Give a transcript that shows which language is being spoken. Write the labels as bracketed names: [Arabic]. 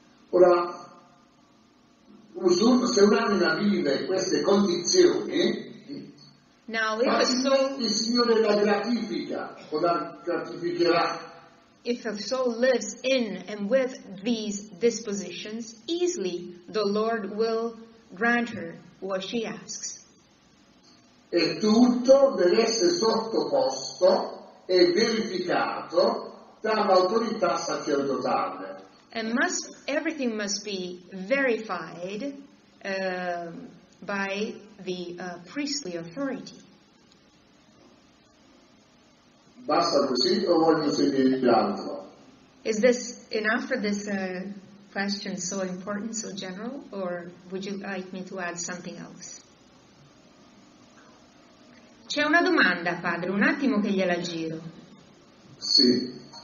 [Italian] Ora, se un'anima vive in queste condizioni, [English] now, if a soul, [Italian] il Signore la gratifica o la gratificherà. [English] If a soul lives in and with these dispositions, easily the Lord will grant her what she asks. [Italian] E tutto deve essere sottoposto e verificato dall'autorità sacerdotale. [English] And everything must be verified by the priestly authority. [Italian] Basta così o voglio sentire altro? [English] Is this enough for this question so important, so general, or would you like me to add something else? [Italian] C'è una domanda, padre, un attimo che gliela giro. Sì.